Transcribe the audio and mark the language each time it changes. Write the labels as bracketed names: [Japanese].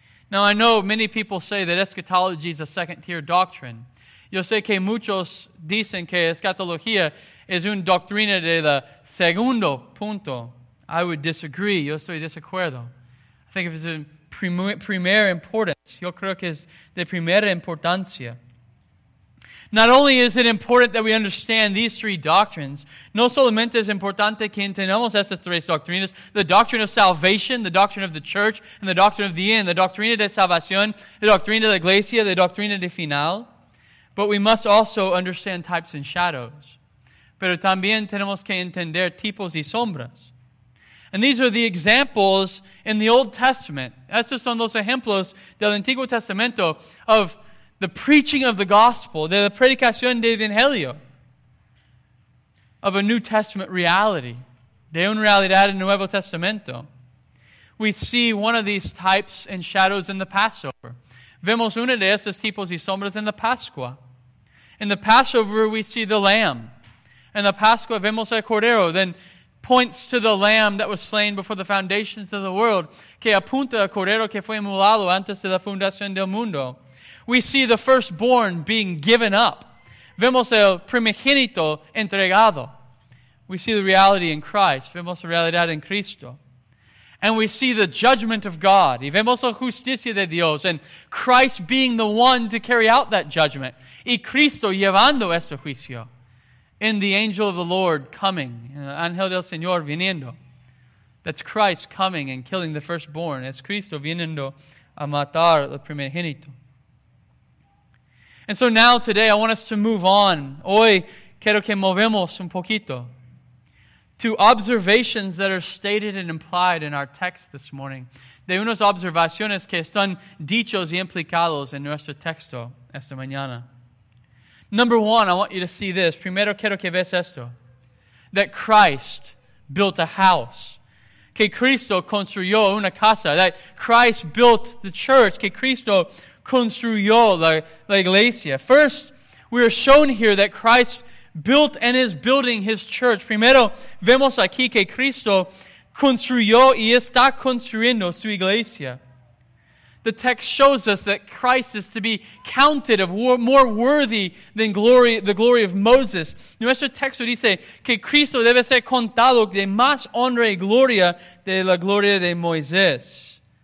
[English] Now, I know many people say that eschatology is a second-tier doctrine. [Spanish] Yo sé que muchos dicen que eschatología es una doctrina de la segundo punto. [English] I would disagree. [Spanish] Yo estoy desacuerdo. [English] I think it's a primera importance. [Spanish] Yo creo que es de primera importancia. [English] Not only is it important that we understand these three doctrines, [Spanish] no solamente es importante que entendamos estas tres doctrinas, [English] the doctrine of salvation, the doctrine of the church, and the doctrine of the end, the [Spanish] doctrina de salvación, [English] the [Spanish] doctrina de la iglesia, [English] the [Spanish] doctrina de final, [English] but we must also understand types and shadows. [Spanish] Pero también tenemos que entender tipos y sombras. [English] And these are the examples in the Old Testament. [Spanish] Estos son los ejemplos del Antiguo Testamento [English] of the preaching of the gospel, [Spanish] de la predicación del Evangelio, [English] of a New Testament reality, [Spanish] de una realidad en Nuevo Testamento. [English] We see one of these types and shadows in the Passover. [Spanish] Vemos una de estos tipos y sombras en la Pascua. [English] In the Passover, we see the lamb. In the [Spanish] Pascua, vemos el cordero. [English] Then points to the lamb that was slain before the foundations of the world, [Spanish] que apunta al cordero que fue inmolado antes de la fundación del mundo. [English] We see the firstborn being given up. [Spanish] Vemos el primogénito entregado. [English] We see the reality in Christ. [Spanish] Vemos la realidad en Cristo. [English] And we see the judgment of God. [Spanish] Y vemos la justicia de Dios. [English] And Christ being the one to carry out that judgment. [Spanish] Y Cristo llevando este juicio. [English] In the angel of the Lord coming. [Spanish] Ángel del Señor viniendo. [English] That's Christ coming and killing the firstborn. [Spanish] Es Cristo viniendo a matar el primogénito. [English] And so now today, I want us to move on. [Spanish] Hoy, quiero que movemos un poquito [English] to observations that are stated and implied in our text this morning. [Spanish] De unas observaciones que están dichos y implicados en nuestro texto esta mañana. [English] Number one, I want you to see this. [Spanish] Primero, quiero que veas esto. [English] That Christ built a house. [Spanish] Que Cristo construyó una casa. [English] That Christ built the church. [Spanish] Que Cristo construyó la iglesia. [English] First, we are shown here that Christ built and is building his church. [Spanish] Primero, vemos aquí que Cristo construyó y está construyendo su iglesia. [English] The text shows us that Christ is to be counted of more worthy than glory, the glory of Moses. [Spanish] Nuestro texto dice que Cristo debe ser contado de más honra y gloria de la gloria de Moisés.